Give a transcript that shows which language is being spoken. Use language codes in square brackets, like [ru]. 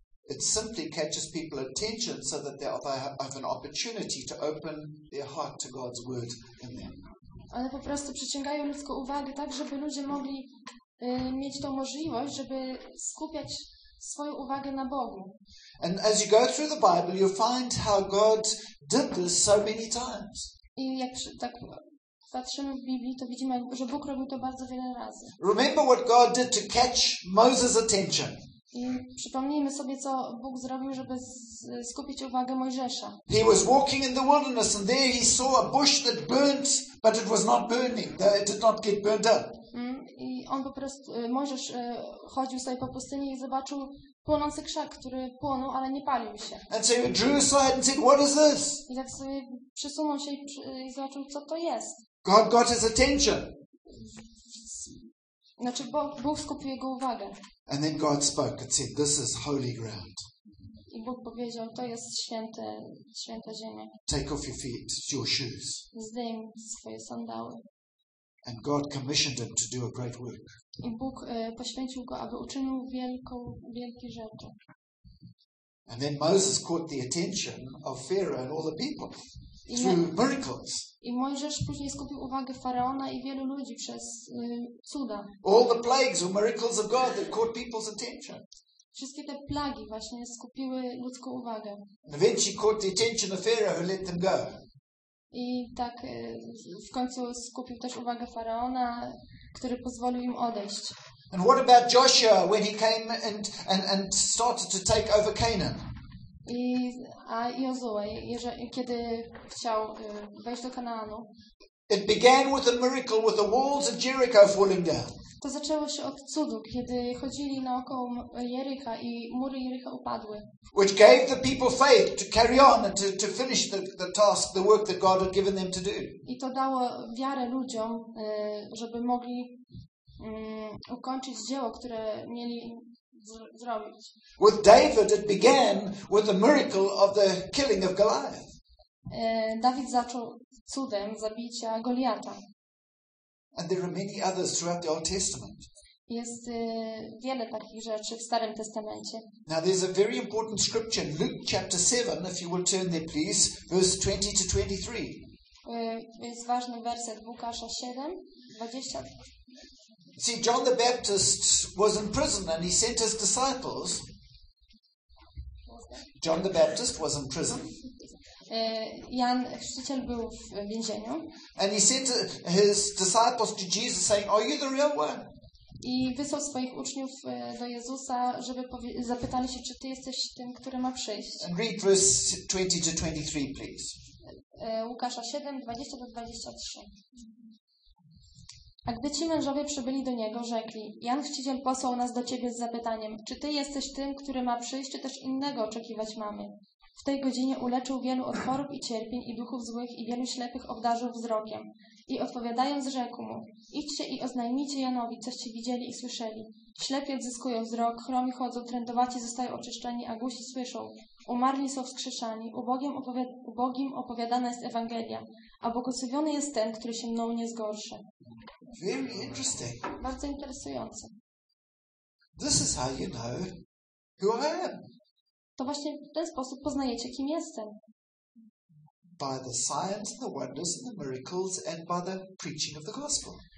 [en] It simply catches people's attention so that they have an opportunity to open their heart to God's word in them. [pl] One po prostu przyciągają ludzką uwagę tak, żeby ludzie mogli mieć tą możliwość, żeby skupiać swoją uwagę na Bogu. [en] And as you go through the Bible, you find how God did this so many times. [pl] I jak tak patrzymy w Biblii, to widzimy, że Bóg robił to bardzo wiele razy. [en] Remember what God did to catch Moses' attention. [pl] I przypomnijmy sobie, co Bóg zrobił, żeby skupić uwagę Mojżesza. [en] He was walking in the wilderness and there he saw a bush that burnt, but it was not burning. It did not get burned up. [pl] I on po prostu, Mojżesz chodził sobie po pustyni i zobaczył płonący krzak, który płonął, ale nie palił się. [en] And so he drew aside and said, what is this? [pl] I tak sobie przesunął się i zobaczył, co to jest. [en] God got his attention. [pl] Znaczy, Bóg skupił jego uwagę. [en] And then God spoke and said, this is holy ground. [pl] I Bóg powiedział, to jest święte, święta ziemia. [en] Take off your feet, your shoes. [pl] Zdejm swoje sandały. [en] And God commissioned him to do a great work. [pl] I Bóg poświęcił go, aby uczynił wielką, wielkie rzeczy. [en] And then Moses caught the attention of Pharaoh and all the people through miracles. [pl] I Mojżesz później skupił uwagę faraona i wielu ludzi przez cuda. [en] All the plagues were miracles of God that caught people's attention. [pl] Wszystkie te plagi właśnie skupiły ludzką uwagę. [en] And eventually caught the attention of Pharaoh, who let them go. [pl] I tak w końcu skupił też uwagę faraona, który pozwolił im odejść. [en] And what about Joshua when he came and started to take over Canaan? [pl] I a Jozue, kiedy chciał wejść do Kanaanu. [en] It began with a miracle with the walls of Jericho falling down. [pl] To zaczęło się od cudu, kiedy chodzili naokoło Jerycha i mury Jerycha upadły. [en] Which gave the people faith to carry on and to finish the task, the work that God had given them to do. [pl] I to dało wiarę ludziom, żeby mogli ukończyć dzieło, które mieli zrobić. [en] With David it began with the miracle of the killing of Goliath. [pl] Dawid zaczął cudem zabicia Goliata. [en] And there are many others throughout the Old Testament. [pl] Jest wiele takich rzeczy w Starym Testamencie. [en] Now there's a very important scripture, Luke chapter 7, if you will turn there please, verse 20 to 23. [pl] Jest ważny werset Łukasza 7, 20. [en] See, John the Baptist was in prison and he sent his disciples. John the Baptist was in prison. [pl] Jan Chrzciciel był w więzieniu. [en] And he sent his disciples to Jesus saying, "Are you the real one?" [pl] I wysłał swoich uczniów do Jezusa, żeby zapytali się, czy ty jesteś tym, który ma przyjść. [en] And read verse 20 to 23, please. [pl] Łukasza 7, 20 do 23. A gdy ci mężowie przybyli do niego, rzekli: Jan Chrzciciel posłał nas do ciebie z zapytaniem, czy ty jesteś tym, który ma przyjść, czy też innego oczekiwać mamy. W tej godzinie uleczył wielu od chorób i cierpień i duchów złych i wielu ślepych obdarzył wzrokiem. I odpowiadając, rzekł mu: idźcie i oznajmijcie Janowi, coście widzieli i słyszeli. Ślepi odzyskują wzrok, chromi chodzą, trędowaci zostają oczyszczeni, a głusi słyszą. Umarli są wskrzeszani, ubogim opowiadana jest Ewangelia, a błogosławiony jest ten, który się mną nie zgorszy. [en] Very interesting. [pl] Bardzo interesujące. [en] This is how you know who I am. [pl] To właśnie w ten sposób poznajecie, kim jestem. [en] By the signs, the wonders, and the miracles, and by the preaching of the gospel.